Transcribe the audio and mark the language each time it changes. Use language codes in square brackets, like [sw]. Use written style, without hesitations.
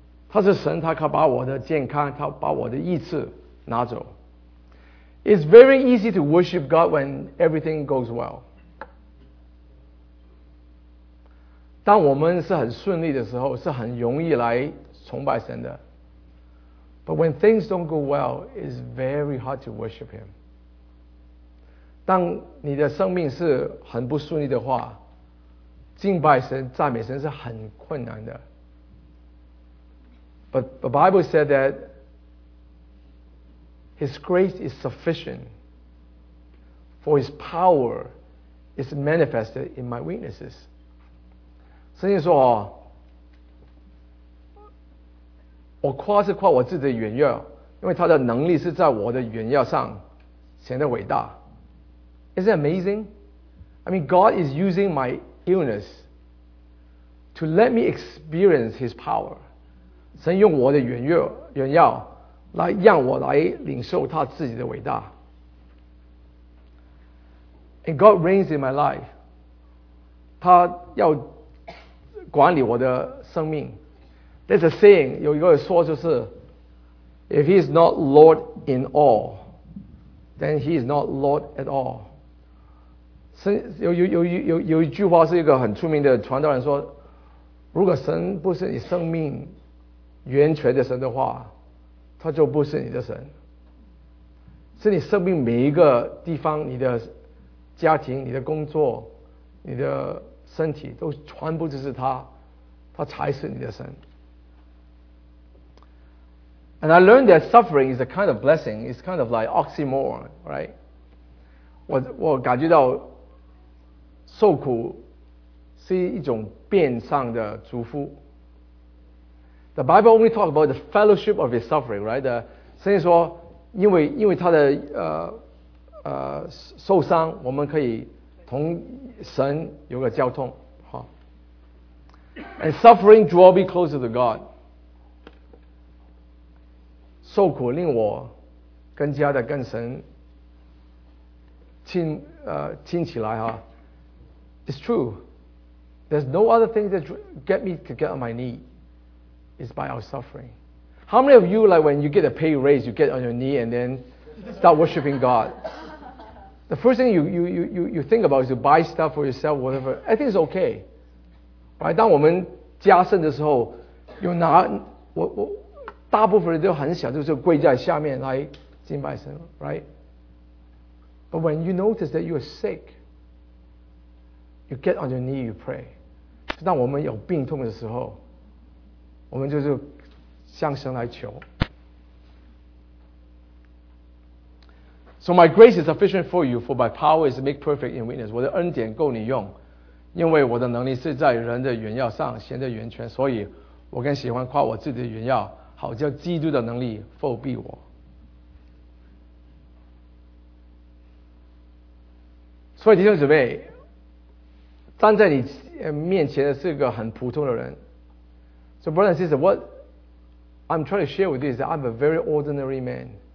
[zh] 他是神，他可把我的健康，他把我的意志拿走。 [en] It's very easy to worship God when everything goes well. [zh] 当我们是很顺利的时候，是很容易来崇拜神的。 [en] But when things don't go well, it's very hard to worship Him. [zh] 当你的生命是很不顺利的话，敬拜神、赞美神是很困难的。 [en] But the Bible said that His grace is sufficient, for His power is manifested in my weaknesses. [zh] 圣经说，我夸是夸我自己的软弱，因为他的能力是在我的软弱上显得伟大。 [en] Isn't it amazing? I mean, God is using my illness to let me experience His power. [zh] 神用我的软弱来让我来领受他自己的伟大。 [en] And God reigns in my life. [zh] 他要管理我的生命。 [en] There's a saying, [zh] 有一个说就是 [en] If He is not Lord in all, then He is not Lord at all. [zh] 有一句话是一个很出名的传道人说，如果神不是你生命源泉的神的话，他就不是你的神。是你生命每一个地方，你的家庭、你的工作、你的身体都全部就是他，他才是你的神。 [en] And I learned that suffering is a kind of blessing. It's kind of like oxymoron, right? [zh] 我感觉到受苦是一种变相的祝福。 [en] The Bible only talks about the fellowship of his suffering, right? [zh] 圣经说，因为他的受伤，我们可以同神有个交通。 [en] 好。And suffering draw me closer to God. [zh] 受苦令我更加的跟神亲起来哈。 [en] It's true. There's no other thing that get me to get on my knee. It's by our suffering. How many of you, like when you get a pay raise, you get on your knee and then start worshiping God? The first thing you think about is to buy stuff for yourself, whatever. I think it's okay. Right? [zh] 当我们加薪的时候，有拿我大部分人都很小，就是跪在下面来敬拜神 ，right? [en] But when you notice that you are sick, you get on your knee, you pray. [zh] 当我们有病痛的时候，我们就是向神来求。 [en] So my grace is sufficient for you, for my power is made perfect in weakness. [zh] 我的恩典够你用，因为我的能力是在人的软弱上显得完全，所以我更喜欢夸我自己的软弱。好叫基督的能力覆庇我。所以弟兄姊妹，站在你面前的是个很普通的人。 [en] So brother and sister, what I'm trying to share with you is that I'm a very ordinary man.